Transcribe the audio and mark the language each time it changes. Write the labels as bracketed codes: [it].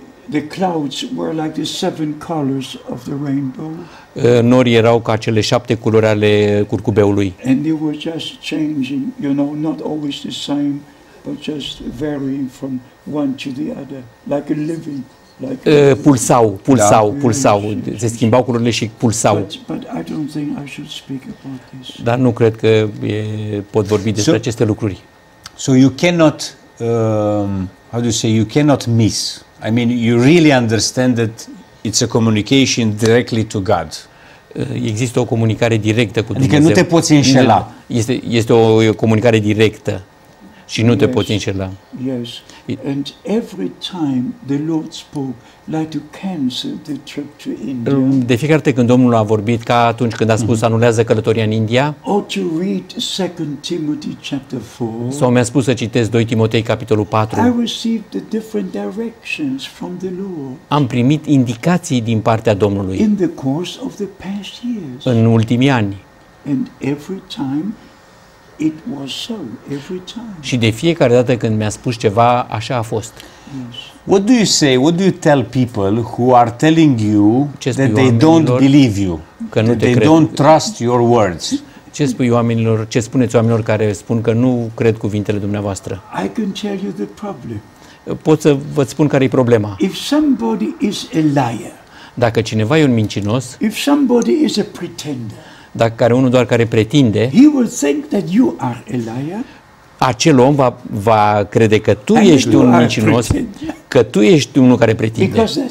[en] the clouds were like the seven colors of the rainbow. [ro] Norii erau ca cele șapte culori ale curcubeului. [en] And they were just changing, you know, not always the same, but just varying from one to the other, like a living, like a living. [ro] Pulsau, se schimbau culorile și pulsau. [en] But I don't think I should speak about this. [ro] Dar nu cred că pot vorbi despre aceste lucruri. [en] So you cannot how do you say, you cannot miss. I mean, you really understand that it's a communication directly to God. [ro] Există o comunicare directă cu Dumnezeu. Adică nu te poți înșela. Este o comunicare directă. și nu te poți înșela. [en] Yes. And every time the Lord spoke, like to cancel the trip to India. [ro] De fiecare dată când Domnul a vorbit, ca atunci când a spus anulează călătoria în India. [en] Or to read 2 Timothy chapter 4. [ro] Sau mi-a spus să citesc 2 Timotei capitolul 4. [en] I received the different directions from the Lord. [ro] Am primit indicații din partea Domnului. [en] In the course of the past years. [ro] În ultimii ani. [en] And every time it was so, every time. [ro] Și de fiecare dată când mi-a spus ceva, așa a fost. [en] Yes. What do you say? What do you tell people who are telling you that they don't believe you? [ro] Că nu te [en] they [ro] cred. [en] Don't trust your words. [ro] Ce spui oamenilor? Ce spuneți oamenilor care spun că nu cred cuvintele dumneavoastră? [en] I can tell you the problem. [ro] Pot să vă spun care e problema. [en] If somebody is a liar. [ro] Dacă cineva e un mincinos. [en] If somebody is a pretender. [ro] Dacă are unul doar care pretinde. [en] He will think that you are a liar. [ro] Acel om va crede că tu ești un mincinos, că tu ești unul care pretinde.